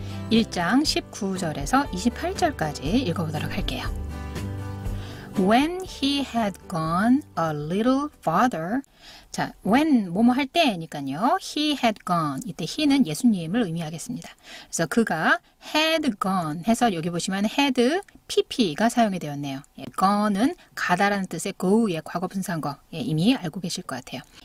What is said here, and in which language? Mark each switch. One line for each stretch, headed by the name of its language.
Korean: 1장 19절에서 28절까지 읽어보도록 할게요.
English: When he had gone a little farther.
Korean: 자, when 뭐뭐 할 때니까요.
English: He had gone.
Korean: 이때 he는 예수님을 의미하겠습니다. 그래서 그가 had gone 해서 여기 보시면 had pp가 사용이 되었네요. 예, gone은 가다라는 뜻의 go의 과거 분사인거 예, 이미 알고 계실 것 같아요.